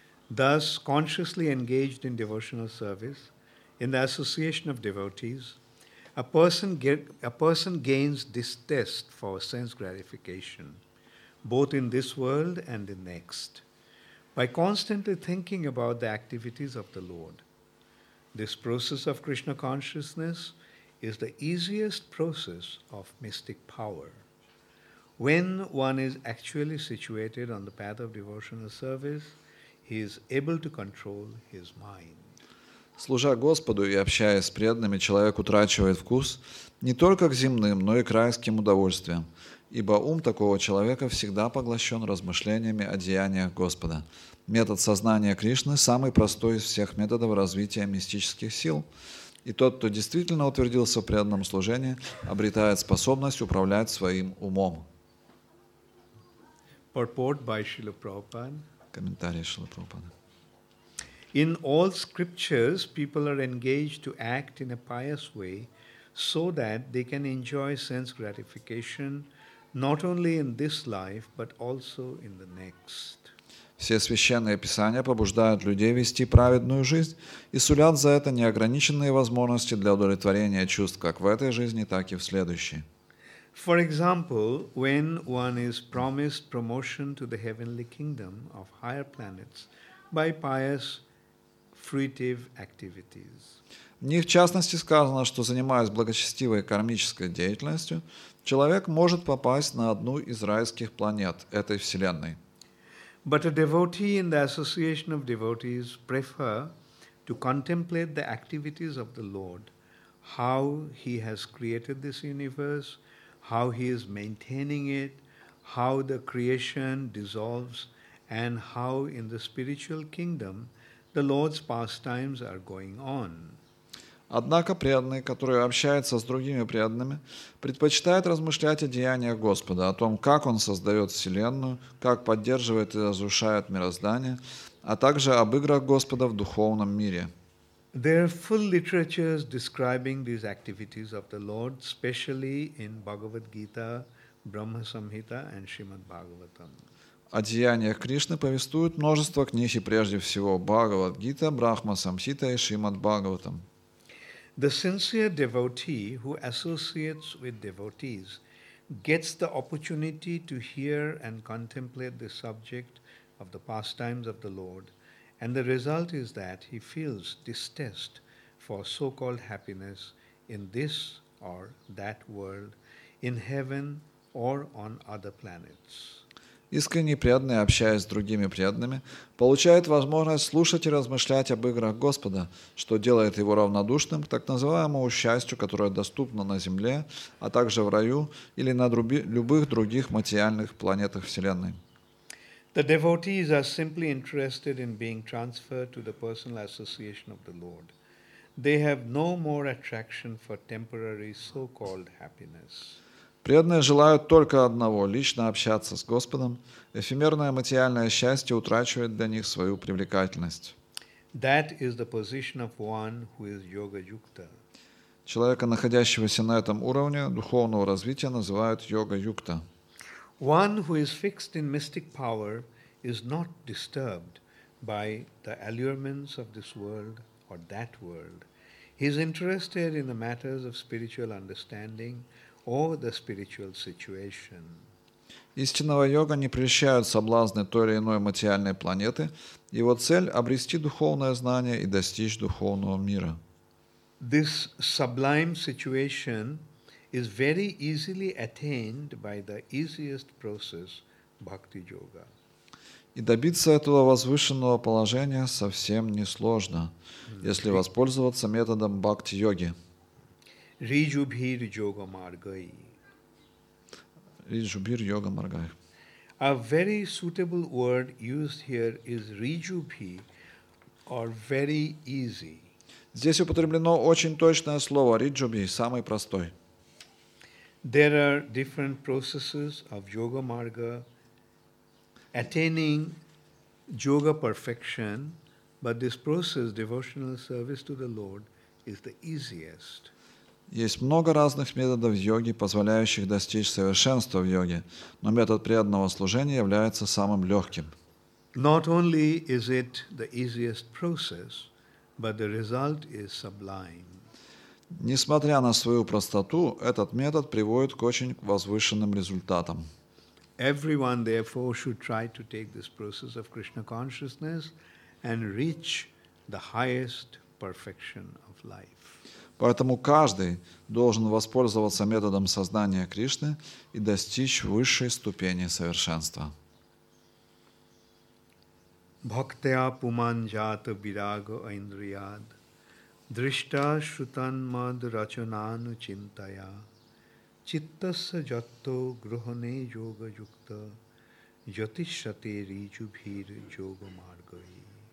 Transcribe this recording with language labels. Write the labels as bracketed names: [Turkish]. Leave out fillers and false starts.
[English] Thus, consciously engaged in devotional service, in the association of devotees, a person gains distaste for sense gratification, both in this world and the next, by constantly thinking about the activities of the Lord. This process of Krishna consciousness is the easiest process of mystic power. When one is actually situated on the path of devotional service, he is able to control his mind. [Russian] Служа Господу и общаясь с преданными, человек утрачивает вкус не только к земным, но и к райским удовольствиям, ибо ум такого человека всегда поглощен размышлениями о деяниях Господа. Метод сознания Кришны – самый простой из всех методов развития мистических сил. И тот, кто действительно утвердился в преданном служении, обретает способность управлять своим умом. [English] Purport by Srila Prabhupada. [Russian] Комментарий Шрилы Прабхупады. [English] In all scriptures, people are engaged to act in a pious way so that they can enjoy sense gratification not only in this life, but also in the next. [Russian] Все священные писания побуждают людей вести праведную жизнь и сулят за это неограниченные возможности для удовлетворения чувств как в этой жизни, так и в следующей. [English] For example, when one is promised promotion to the heavenly kingdom of higher planets by pious fruitive activities. [Russian] В них, в частности, сказано, что занимаясь благочестивой кармической деятельностью, человек может попасть на одну из райских планет этой вселенной. [English] But a devotee in the association of devotees prefer to contemplate the activities of the Lord, how he has created this universe, how he is maintaining it, how the creation dissolves, and how in the spiritual kingdom the Lord's pastimes are going on. [Russian] Однако преданный, который общается с другими преданными, предпочитает размышлять о деяниях Господа, о том, как Он создает Вселенную, как поддерживает и разрушает мироздание, а также об играх Господа в духовном мире. [English] There are full literatures describing these activities of the Lord, especially in Bhagavad Gita, Brahma Samhita, and Srimad Bhagavatam. [Russian] О деяниях Кришны повествуют множество книг, и прежде всего Бхагавад Гита, Брахма Самхита и Шримад Бхагаватам. [English] The sincere devotee who associates with devotees gets the opportunity to hear and contemplate the subject of the pastimes of the Lord. And the result is that he feels distaste for so-called happiness in this or that world, in heaven or on other planets. [Russian] Искренне преданный, общаясь с другими преданными, получает возможность слушать и размышлять об играх Господа, что делает его равнодушным к так называемому счастью, которое доступно на земле, а также в раю или на любых других материальных планетах Вселенной. [English] The devotees are simply interested in being transferred to the personal association of the Lord. They have no more attraction for temporary so-called happiness. [Russian] Преданные желают только одного – лично общаться с Господом. Эфемерное материальное счастье утрачивает для них свою привлекательность. [English] That is the position of one who is yoga yukta. [Russian] Человека, находящегося на этом уровне духовного развития, называют йога-юкта. [English] One who is fixed in mystic power is not disturbed by the allurements of this world or that world. He is interested in the matters of spiritual understanding or the spiritual situation. [Russian] Истинного йога не прельщают соблазны той или иной материальной планеты. Его цель – обрести духовное знание и достичь духовного мира. [English] This sublime situation is very easily attained by the easiest process, bhakti yoga. [Russian] И добиться этого возвышенного положения совсем несложно, если воспользоваться методом бхакти йоги. [Sanskrit] Риджубхир йога маргай. Риджубхир йога маргай. [English] A very suitable word used here is риджубхи, or very easy. [Russian] Здесь употреблено очень точное слово риджубхи, самый простой. [English] There are different processes of yoga marga, attaining yoga perfection, but this process, devotional service to the Lord, is the easiest. [Russian] Есть много разных методов йоги, позволяющих достичь совершенства в йоге, но метод преданного служения является самым легким. [English] Not only is it the easiest process, but the result is sublime. [Russian] Несмотря на свою простоту, этот метод приводит к очень возвышенным результатам. [English] Everyone, therefore, should try to take this process of Krishna consciousness and reach the highest perfection of life. [Russian] Поэтому каждый должен воспользоваться методом сознания Кришны и достичь высшей ступени совершенства. [Sanskrit] Bhaktya puman jata virago indriyad drishta shrutan mad rachanan chintaya chittasya jatto grahane yoga yukta yatishyate rijubhir yoga margai.